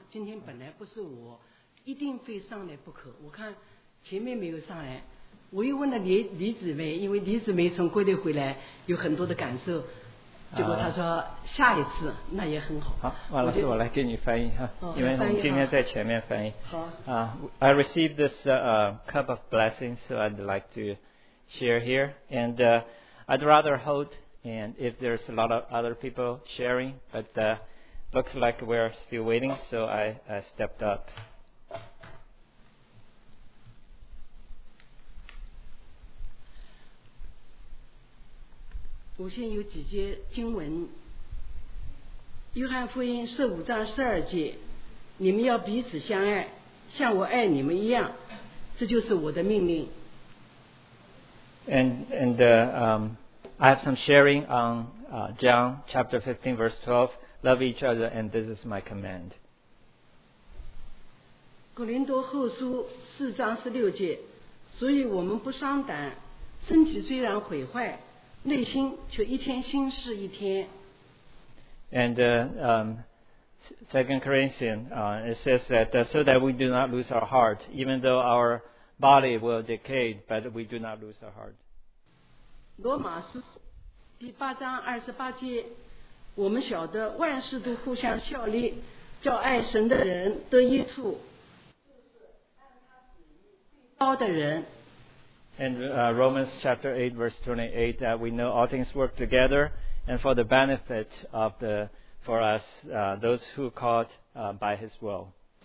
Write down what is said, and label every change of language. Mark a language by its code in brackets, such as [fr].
[zh] 今天本来不是我一定非上来不可，我看前面没有上来，我又问了李姊妹，因为李姊妹从国内回来有很多的感受，结果他说下一次，那也很好。好，王老师，我来给你翻译哈，因为我们今天在前面翻译。好。 [en] I received this cup of blessings, so I'd like to share here, and I'd rather hold, and if there's a lot of other people sharing, but looks like we're still waiting, so I stepped up. [zh] 我先有几节经文，约翰福音十五章十二节，你们要彼此相爱，像我爱你们一样，这就是我的命令。 [en] I have some sharing on John chapter 15 verse 12, love each other and this is my command. [zh] 哥林多后书四章十六节，所以我们不伤胆，身体虽然毁坏，内心却一天新似一天。 [en] And Second Corinthians, it says that so that we do not lose our heart, even though our body will decay, but we do not lose our heart. [zh] 罗马书第八章二十八节，我们晓得万事都互相效力，叫爱神的人得益处，高的人。 [en] And Romans chapter 8 verse 28 that we know all things work together and for the benefit of the for us those who called by his will.